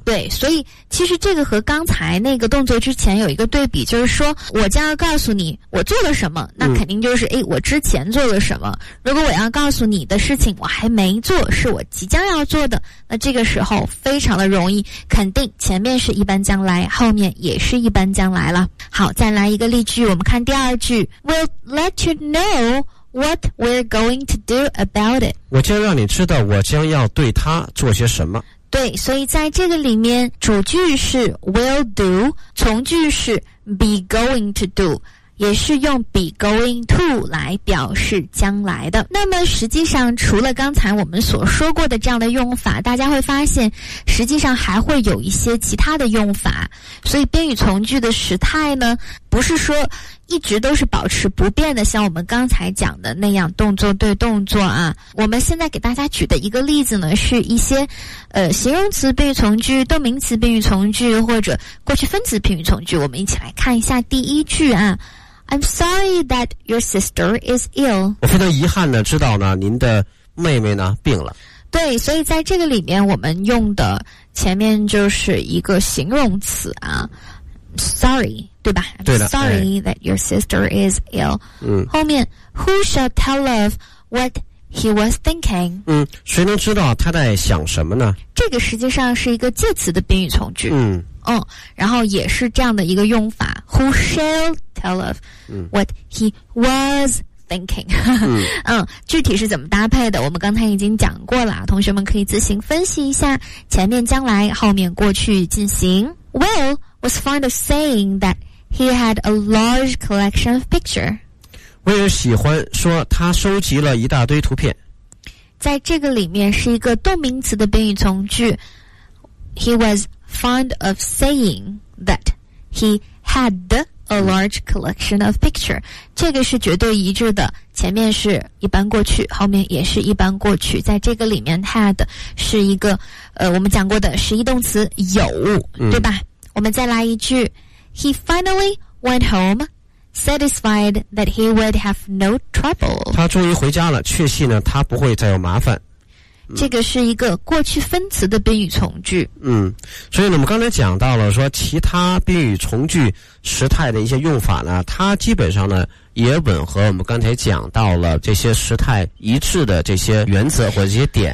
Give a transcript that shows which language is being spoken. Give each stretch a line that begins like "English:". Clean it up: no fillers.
Chinese: 对，所以其实这个和刚才那个动作之前有一个对比，就是说我将要告诉你我做了什么，那肯定就是，我之前做了什么。如果我要告诉你的事情我还没做，是我即将要做的，那这个时候非常的容易肯定前面是一般将来，后面也是一般将来了。好，再来一个例句，我们看第二句。
English: We'll let you knowWhat we're going to do about it.
Chinese: 我将让你知道我将要对他做些什么。对，所以在这个里面主句是 will do, 从句是 be going to do, 也是用 be going to 来表示将来的。那么实际上除了刚才我们所说过的这样的用法，大家会发现实际上还会有一些其他的用法。所以宾语从句的时态呢不是说一直都是保持不变的，像我们刚才讲的那样动作对动作啊。我们现在给大家举的一个例子呢，是一些形容词宾语从句、动名词宾语从句或者过去分词宾语从句。我们一起来看一下第一句啊。
English: I'm sorry that your sister is ill.
Chinese: 我非常遗憾的知道呢您的妹妹呢病了。对，所以在这个里面我们用的前面就是一个形容词啊， sorry,对吧？对的。
English: Sorry that your sister is ill.
Chinese: 后面
English: Who shall tell of what he was thinking?
Chinese: 谁能知道他在想什么呢？这个实际上是一个介词的宾语从句。然后也是这样的一个用法。
English: Who shall tell of what he was thinking?
Chinese: 具体是怎么搭配的？我们刚才已经讲过了，同学们可以自行分析一下，前面将来，后面过去进行。
English: Will was fond of saying that he had a large collection of pictures.
Chinese: 我也喜欢说他收集了一大堆图片。在这个里面是一个动名词的宾语从句。
English: He was fond of saying that he had a large collection of pictures.
Chinese: 这个是绝对一致的，前面是一般过去，后面也是一般过去。在这个里面 had 是一个我们讲过的实义动词有，对吧？我们再来一句。
English: He finally went home, satisfied that he would have no trouble.
Chinese: 他终于回家了，确信呢他不会再有麻烦。这个是一个过去分词的宾语从句。所以呢我们刚才讲到了说其他宾语从句时态的一些用法呢，它基本上呢也吻合我们刚才讲到了这些时态一致的这些原则或者这些点。